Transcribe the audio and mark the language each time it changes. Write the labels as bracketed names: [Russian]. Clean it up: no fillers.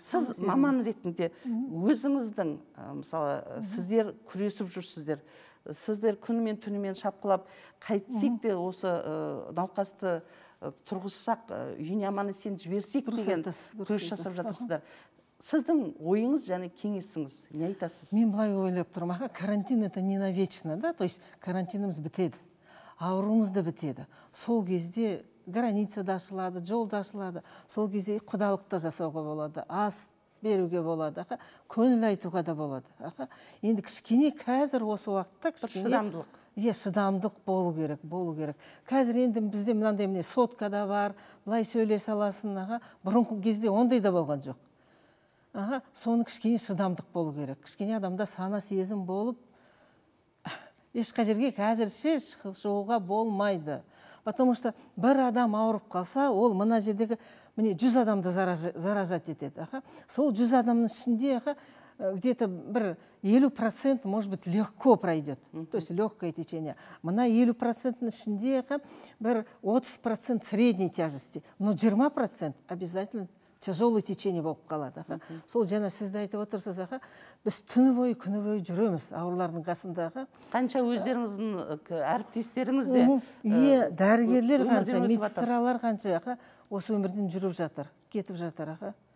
[Kazakh] Сіз маман ретінде өзіңіздің, мысалы, сіздер күресіп жүрсіздер, сіздер күнімен түнімен шапқылап, қайтсек де осы науқасты тұрғызсақ, үйіне аман есен жіберсек деген күрес жасап жатырсыздар. Сіздің ойыңыз және кеңесіңіз, не айтасыз? Мен былай ойлап тұрмын, [Russian] аха, карантин это не навечно, да? То есть [Kazakh] карантинымыз бітеді, ауруымыз да бітеді. Сол кезде граница да ашылады, жол да ашылады, сол кезде құдалық та жасауға болады, ас беруге болады, көңіл айтуға да болады. Енді кішкене қазір осы уақытта кішкене шыдамдық болу керек. Қазір енді бізде мынандай міне сотка да бар, былай сөйлей саласың, бұрынғы кезде ондай да болған жоқ. Соны кішкене шыдамдық болу керек, кішкене адамда сана сезім болып, ешқай жерге қазірше шығуға болмайды. [Russian] Потому что [Kazakh] бір адам ауырып қалса, ол мына жердегі 100 адамды заразат етеді. Сол 100 адамның ішінде [Russian] где-то 50% может быть легко пройдет. То есть легкое течение. [Kazakh] Мына 50%-ның ішінде [Russian] 30% средней тяжести. Но 20% обязательно тяжелый течение [Kazakh] болып қалады. Сол жена сізді айтып отырсыз, аға, біз түні бойы, күні бойы жүреміз ауырлардың қасындағы. Қанша өздеріңіздің әріптестеріңізде? Е, дәрігерлер қанша, медсестралар қанша, аға, осы өмірден жүріп жатыр, кетіп жатыр, аға.